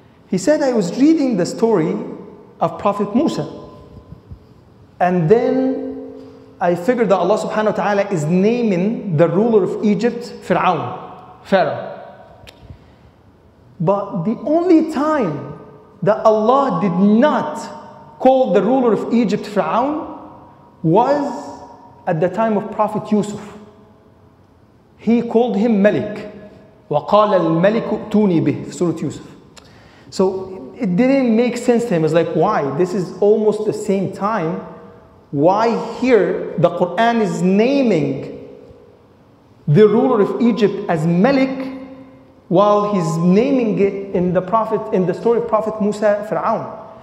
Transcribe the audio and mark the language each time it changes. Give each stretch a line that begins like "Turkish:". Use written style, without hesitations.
English: He said, I was reading the story of Prophet Musa, and then I figured that Allah subhanahu wa ta'ala is naming the ruler of Egypt, Fir'aun, Pharaoh. But the only time that Allah did not call the ruler of Egypt, Fir'aun, was at the time of Prophet Yusuf. He called him Malik.
Arabic: وَقَالَ الْمَلِكُ أُتُونِي بِهِ Surah Yusuf.
English: So it didn't make sense to him. It's like, why? This is almost the same time. Why here the Quran is naming the ruler of Egypt as Malik while he's naming it in the Prophet, in the story of Prophet Musa, Fir'aun?